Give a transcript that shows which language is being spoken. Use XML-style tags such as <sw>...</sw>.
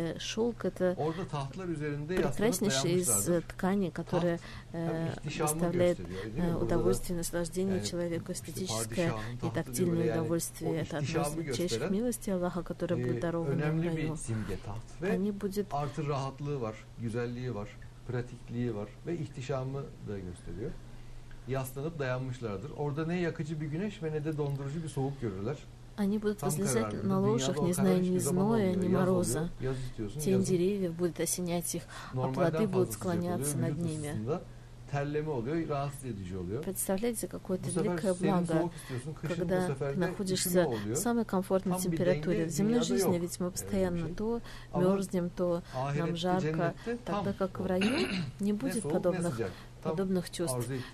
<ru>Шелк — это прекраснейшая из ткани, которая доставляет удовольствие, наслаждение человеку, эстетическое и тактильное удовольствие. Это одно из величайших милостей Аллаха, которая будет дарована.</ru> <tr>Önemli bir simge, taht ve artı rahatlığı var, güzelliği var, pratikliği var ve ihtişamı da gösteriyor. Yaslanıp dayanmışlardır. Orada ne yakıcı bir güneş ve ne de dondurucu bir soğuk görürler.</tr> <ru>Они будут возлежать на ложах, не зная ни зноя, ни мороза. Тень деревьев будет осенять их, а плоды будут склоняться над ними.</ru> <tr>Terleme oluyor, rahatsız edici oluyor.</tr> <ru>Представляете, какое это великое благо, когда находишься в самой комфортной температуре. В земной жизни ведь мы постоянно то мерзнем, то нам жарко, тогда как в раю не будет подобных чувств.</ru>